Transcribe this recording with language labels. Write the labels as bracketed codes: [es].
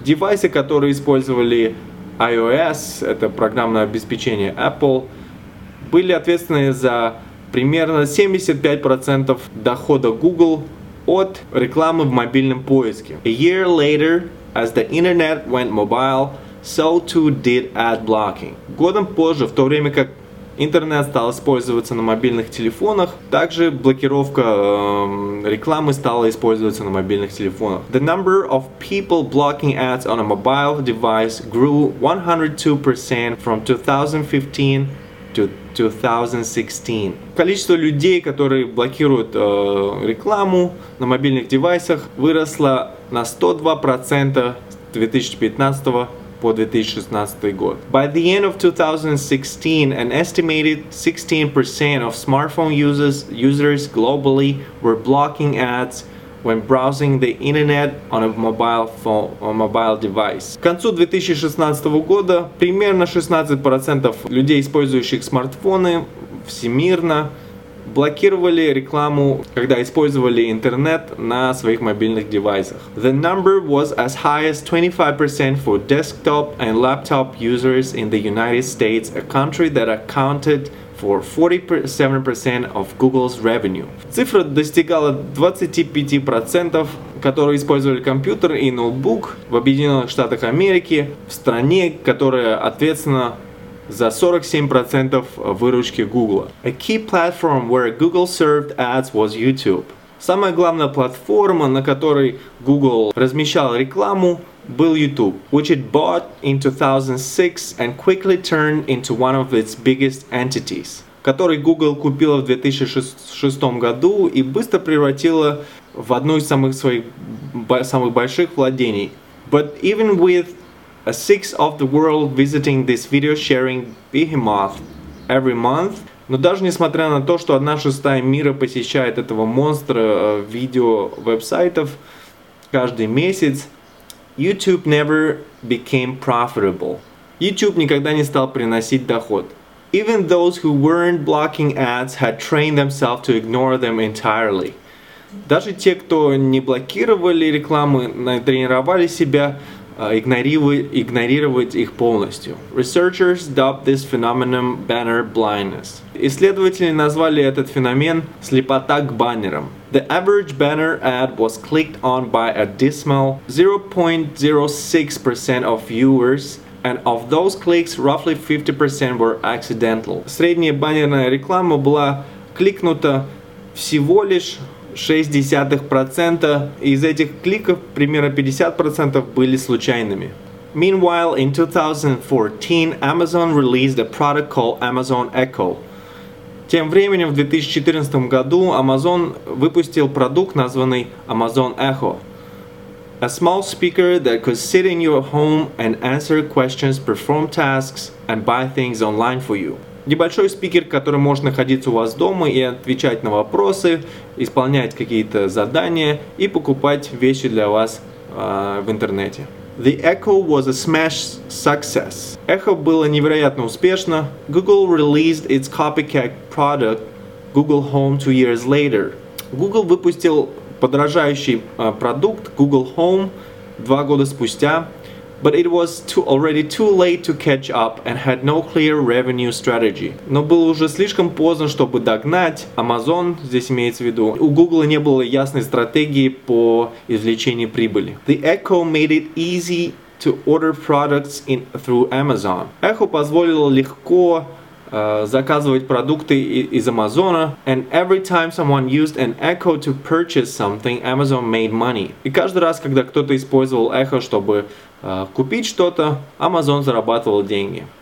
[ru] Девайсы, которые использовали iOS, это программное обеспечение Apple, были ответственны за примерно 75% дохода Google от рекламы в мобильном поиске. [en] A year later, as the internet went mobile, so too did ad blocking. [ru] Годом позже, в то время как интернет стал использоваться на мобильных телефонах, также блокировка рекламы стала использоваться на мобильных телефонах. [en] The number of people blocking ads on a mobile device grew 102% from 2015 to 2016. [ru] Количество людей, которые блокируют рекламу на мобильных девайсах, выросло на 102% с 2015 по 2016 год. [en] By the end of 2016, an estimated 16% of smartphone users globally were blocking ads when browsing the internet on a mobile phone, a mobile device. [ru] К концу 2016 года примерно 16% людей, использующих смартфоны всемирно, блокировали рекламу, когда использовали интернет на своих мобильных девайсах. [en] The number was as high as 25% for desktop and laptop users in the United States, a country that accounted for 47% of Google's revenue. [ru] Цифра достигала 25%, которые использовали компьютер и ноутбук в Объединенных Штатах Америки, в стране, которая ответственна за 47% выручки Google. [en] A key platform where Google served ads was YouTube. [ru] Самая главная платформа, на которой Google размещал рекламу, был YouTube, [en] which it bought in 2006 and quickly turned into one of its biggest entities, [ru] который Google купила в 2006 году и быстро превратила в одну из самых больших владений. [en] But even with a sixth of the world visiting this video sharing behemoth every month. [ru] Но даже несмотря на то, что 1/6 мира посещает этого монстра видео вебсайтов каждый месяц, [en] YouTube never became profitable. [ru] YouTube никогда не стал приносить доход. [en] Even those who weren't blocking ads had trained themselves to ignore them entirely. [ru] Даже те, кто не блокировали рекламу, натренировали себя игнорировать их полностью. [en] Researchers dubbed this phenomenon banner blindness. [ru] Исследователи назвали этот феномен слепота к баннерам. [en] The average banner ad was clicked on by a dismal 0.06% of viewers, and of those clicks, roughly 50% were accidental. [ru] Средняя баннерная реклама была кликнута всего лишь 0.6%, из этих кликов примерно 50% были случайными. [en] Meanwhile, in 2014, Amazon released a product called Amazon Echo. [ru] Тем временем, в 2014 году, Amazon выпустил продукт, названный Amazon Echo. [en] A small speaker that could sit in your home and answer questions, perform tasks, and buy things online for you. [ru] Небольшой спикер, который может находиться у вас дома и отвечать на вопросы, исполнять какие-то задания и покупать вещи для вас в интернете. [en] The Echo was a smash success. [ru] Echo было невероятно успешно. [en] Google released its copycat product, Google Home, 2 years later. [ru] Google выпустил подражающий продукт Google Home 2 года спустя. [en] But it was already too late to catch up and had no clear revenue strategy. [ru] Но было уже слишком поздно, чтобы догнать Amazon, здесь имеется в виду. У Google не было ясной стратегии по извлечению прибыли. [en] The Echo made it easy to order products through Amazon. [ru] Echo позволило легко заказывать продукты из Амазона. [en] And every time someone used an Echo to purchase something, Amazon made money. [ru] И каждый раз, когда кто-то использовал Echo, чтобы купить что-то, Amazon зарабатывал деньги.